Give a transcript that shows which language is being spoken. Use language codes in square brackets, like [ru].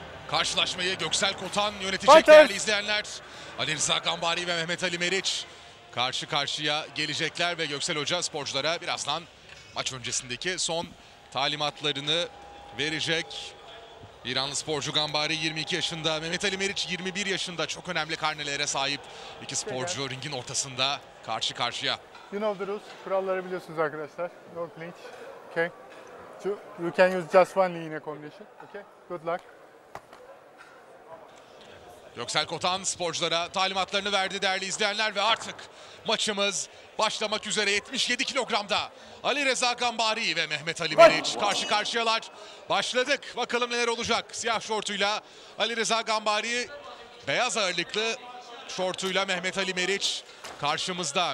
[tr] Karşılaşmayı Göksel Kotan yönetecek Fight değerli izleyenler. Ali Rıza Gambari ve Mehmet Ali Meriç karşı karşıya gelecekler ve Göksel Hoca sporculara birazdan maç öncesindeki son talimatlarını verecek. İranlı sporcu Gambari 22 yaşında, Mehmet Ali Meriç 21 yaşında, çok önemli karnelere sahip iki sporcu ringin ortasında karşı karşıya. [en] You know the rules, [tr] kuralları biliyorsunuz arkadaşlar. [en] No clinch, okay. You can use just one knee in a combination. Okay, good luck. [tr] Göksel Kotan sporculara talimatlarını verdi değerli izleyenler ve artık maçımız başlamak üzere. 77 kilogramda Ali Rıza Gambari ve Mehmet Ali Meriç karşı karşıyalar. Başladık, bakalım neler olacak. Siyah şortuyla Ali Rıza Gambari, beyaz ağırlıklı şortuyla Mehmet Ali Meriç karşımızda.